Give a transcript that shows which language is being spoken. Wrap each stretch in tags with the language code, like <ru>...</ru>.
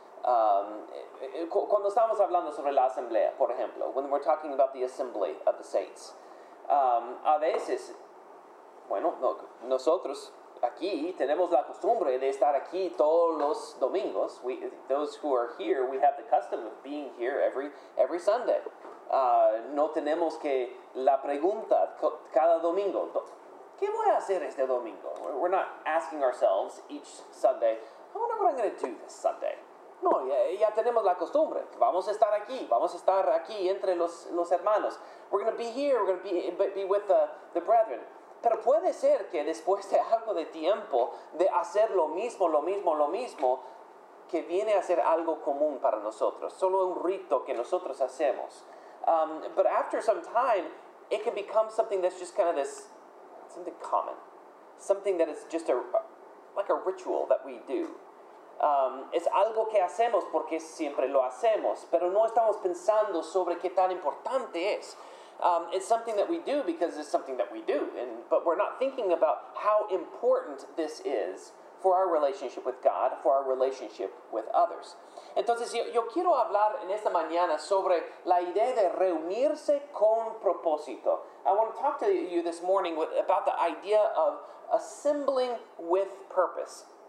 <es>Cuando estamos hablando sobre la asamblea, por ejemplo,</es> <en>when we're talking about the assembly of the saints,</en> <es>a veces, bueno, no, nosotros aquí tenemos la costumbre de estar aquí todos los domingos.</es> <en>Those who are here, we have the custom of being here every Sunday.</en> <es>No tenemos que la pregunta cada domingo, ¿qué voy a hacer este domingo?</es> <en>We're not asking ourselves each Sunday, I wonder what I'm going to do this Sunday.</en> <es>No, ya tenemos la costumbre. Vamos a estar aquí entre los hermanos.</es> <en>We're going to be here, we're going to be with the brethren.</en> <es>Pero puede ser que después de algo de tiempo, de hacer lo mismo, que viene a ser algo común para nosotros, solo un rito que nosotros hacemos.</es> <en>But after some time, it can become something that's just kind of this, something common. Something that is just like a ritual that we do.</en> <es>Es algo que hacemos porque siempre lo hacemos, pero no estamos pensando sobre qué tan importante es.</es> <en>It's something that we do because it's something that we do, but we're not thinking about how important this is for our relationship with God, for our relationship with others.</en> <es>Entonces, yo quiero hablar en esta mañana sobre la idea de reunirse con propósito.</es> <en>I want to talk to you this morning about the idea of assembling with purpose.</en>